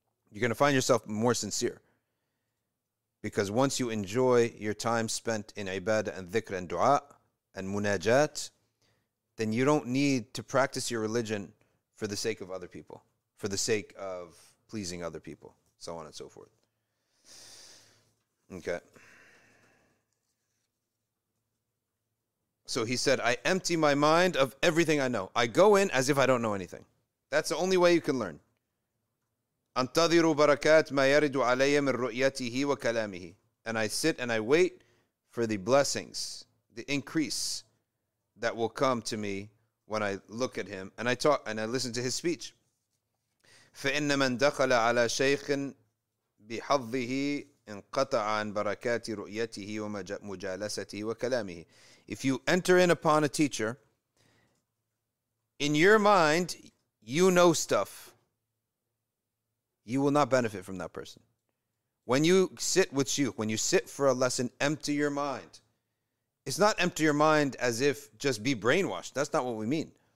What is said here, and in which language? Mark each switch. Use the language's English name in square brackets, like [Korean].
[English] You're going to find yourself more sincere, because once you enjoy your time spent in ibadah and dhikr and dua and munajat, then you don't need to practice your religion for the sake of other people, for the sake of pleasing other people. So on and so forth. Okay. So he said, I empty my mind of everything I know. I go in as if I don't know anything. That's the only way you can learn. [Arabic] أنتظر بركات ما يرد علي من رؤيته وكلامه. [English] And I sit and I wait for the blessings, the increase that will come to me when I look at him and I talk and I listen to his speech. [Arabic] فإن من دخل على شيخ بحظه انقطع عن بركات رؤيته ومجالسته وكلامه. [English] If you enter in upon a teacher, in your mind, you know stuff. You will not benefit from that person. When you sit with shuyukh, when you sit for a lesson, empty your mind. It's not empty your mind as if just be brainwashed. That's not what we mean.